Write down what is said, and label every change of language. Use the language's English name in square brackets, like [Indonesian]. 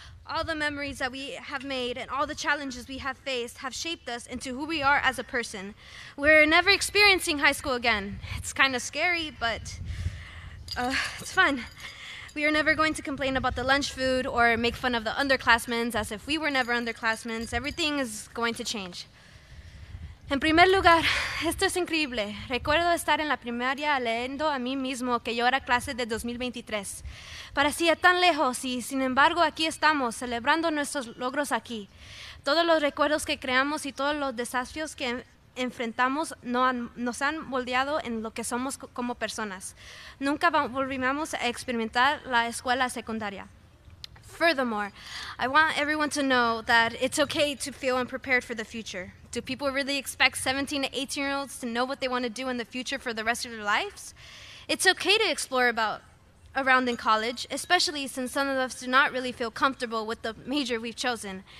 [English] All the memories that we have made and all the challenges we have faced have shaped us into who we are as a person. We're never experiencing high school again. It's kind of scary, but it's fun. We are never going to complain about the lunch food or make fun of the underclassmen as if we were never underclassmen. Everything is going to change. [Spanish] En primer lugar, esto es increíble. Recuerdo estar en la primaria leyendo a mí mismo que yo era clase de 2023. Parecía tan lejos y, sin embargo, aquí estamos, celebrando nuestros logros aquí. Todos los recuerdos que creamos y todos los desafíos que enfrentamos nos han moldeado en lo que somos como personas. Nunca volvimos a experimentar la escuela secundaria. [English] Furthermore, I want everyone to know that it's okay to feel unprepared for the future. Do people really expect 17 to 18-year-olds to know what they want to do in the future for the rest of their lives? It's okay to explore around in college, especially since some of us do not really feel comfortable with the major we've chosen.